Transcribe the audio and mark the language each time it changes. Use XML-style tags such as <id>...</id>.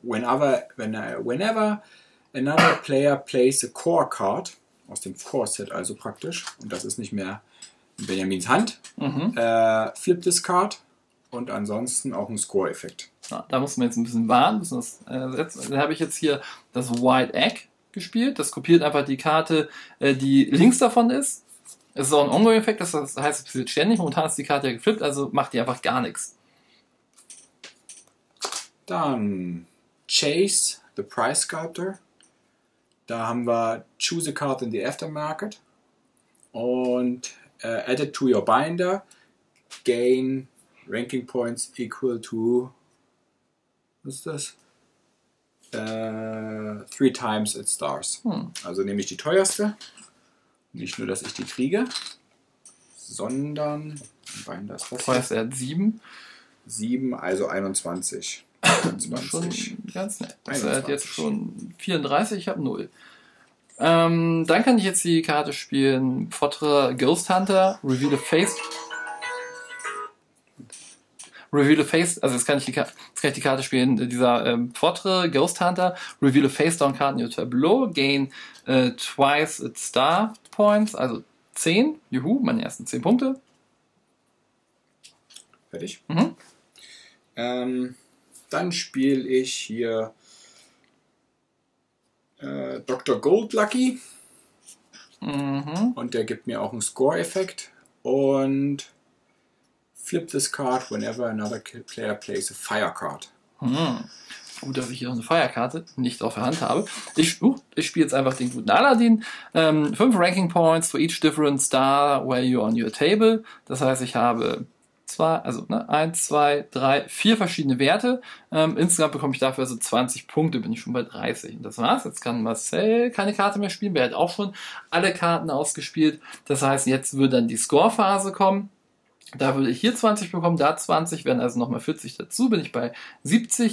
<de>Whenever another player plays a core card, aus dem Core Set also praktisch, und das ist nicht mehr Benjamins Hand, flip this card und ansonsten auch ein Score-Effekt. Ja, da muss man jetzt ein bisschen warten. Da habe ich jetzt hier das White Egg gespielt. Das kopiert einfach die Karte, die links davon ist. Es ist auch ein Ongoing-Effekt, das heißt, es passiert ständig. Momentan ist die Karte ja geflippt, also macht die einfach gar nichts. Dann Chase, the Price Sculptor.</de> <en>Da haben wir Choose a Card in the Aftermarket. Und add it to your binder. Gain Ranking Points equal to... Was ist das? 3 times its stars.</en> <de>Also nehme ich die teuerste. Nicht nur, dass ich die kriege, sondern... Binder ist das hier. Heißt, er hat 7. 7, also 21. Schon ganz nett. Also er hat jetzt schon 34, ich habe 0. Dann kann ich jetzt die Karte spielen.</de> <en>Fodre Ghost Hunter, Reveal a Face.</en> <de>Reveal a Face, also jetzt kann ich die Karte spielen.</de> <en>Dieser Fodre Ghost Hunter, Reveal a Face Down Card in your Tableau, gain twice its star points, also 10.</en> <de>Juhu, meine ersten 10 Punkte. Fertig. Dann spiele ich hier Dr. Goldlucky. Und der gibt mir auch einen Score-Effekt.</de> <en>Und flip this card whenever another player plays a fire card.</en> <de>Gut, dass ich hier noch eine Feuerkarte nicht auf der Hand habe. Ich spiele jetzt einfach den guten Aladdin.</de> <en>5 Ranking Points for each different star where you're on your table.</en> <de>Das heißt, ich habe... 1, 2, 3, 4 verschiedene Werte. Insgesamt bekomme ich dafür also 20 Punkte, bin ich schon bei 30. Und das war's. Jetzt kann Marcel keine Karte mehr spielen. Wer hat auch schon alle Karten ausgespielt. Das heißt, jetzt würde dann die Score-Phase kommen. Da würde ich hier 20 bekommen, da 20, werden also nochmal 40 dazu, bin ich bei 70.</de>